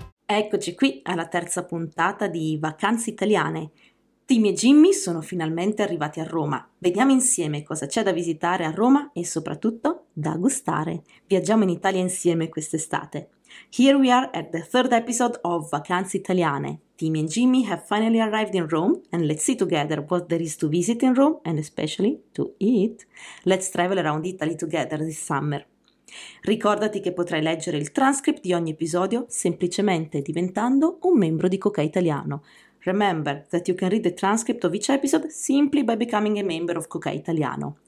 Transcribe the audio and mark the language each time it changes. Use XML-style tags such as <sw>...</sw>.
<it>Eccoci qui alla terza puntata di Vacanze Italiane. Tim e Jimmy sono finalmente arrivati a Roma. Vediamo insieme cosa c'è da visitare a Roma e soprattutto da gustare. Viaggiamo in Italia insieme quest'estate.</it> <en>Here we are at the third episode of Vacanze Italiane. Tim and Jimmy have finally arrived in Rome and let's see together what there is to visit in Rome and especially to eat. Let's travel around Italy together this summer.</en> <it>Ricordati che potrai leggere il transcript di ogni episodio semplicemente diventando un membro di Coca Italiano.</it> <en>Remember that you can read the transcript of each episode simply by becoming a member of Coca Italiano.</en>